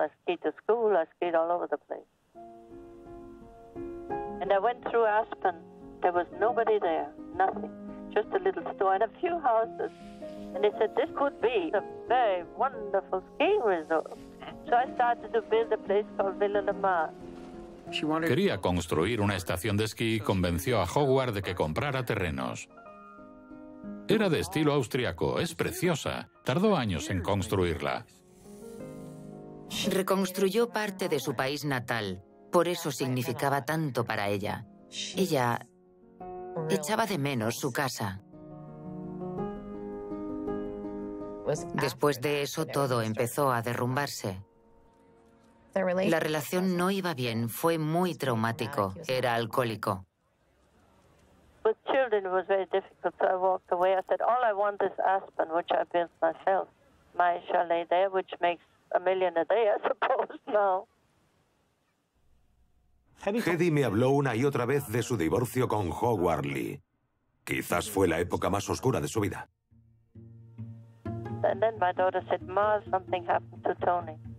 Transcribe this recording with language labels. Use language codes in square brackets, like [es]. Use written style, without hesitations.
[en] I skied to school. I skied all over the place. And I went through Aspen. There was nobody there, nothing. Just a little store and a few houses. And they said, this could be a very wonderful ski resort. So I started to build a place called Villa Lamar. [es] Quería construir una estación de esquí y convenció a Howard de que comprara terrenos. Era de estilo austriaco, es preciosa. Tardó años en construirla. Reconstruyó parte de su país natal. Por eso significaba tanto para ella. Ella echaba de menos su casa. Después de eso, todo empezó a derrumbarse. La relación no iba bien, fue muy traumático, era alcohólico. [en] With children, it was very difficult, so I walked away. I said, all I want is Aspen, which I built myself. My chalet there, which makes a million a day, I suppose, no. [es] Hedy me habló una y otra vez de su divorcio con Howard Lee. Quizás fue la época más oscura de su vida. [en] And then my daughter said, Ma, something happened to Tony.